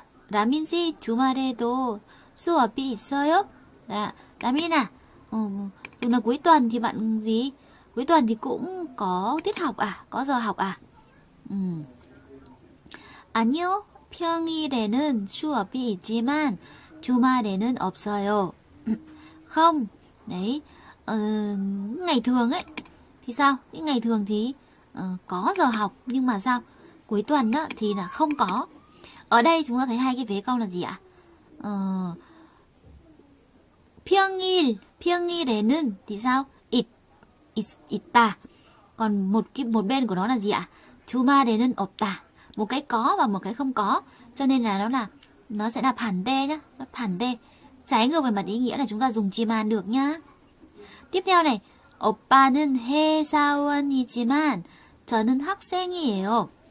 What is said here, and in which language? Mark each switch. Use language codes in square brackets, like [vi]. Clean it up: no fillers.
[ko] 라민 씨 주말에도 수업이 있어요? [vi] 라민아, dù là cuối tuần thì bạn gì? Cuối tuần thì cũng có tiết học à? Có giờ học à? [ko] 아니요, 평일에는 수업이 있지만 주말에는 없어요. [vi] Không, đấy, ngày thường ấy, thì sao? Những ngày thường thì có giờ học, nhưng mà sao? Cuối tuần đó thì là không có. Ở đây chúng ta thấy hai cái vế câu là gì ạ? [ko] 평일, 평일에는 [vi] thì sao? Ít ta. Còn một bên của nó là gì ạ? [ko] 주말에는 없다. [vi] Một cái có và một cái không có. Cho nên là nó sẽ là 반대 nhá. [ko] 반대. [vi] Trái ngược về mặt ý nghĩa là chúng ta dùng 지만 được nhá. Tiếp theo này. [ko] 오빠는 회사원이지만 저는 학생이에요.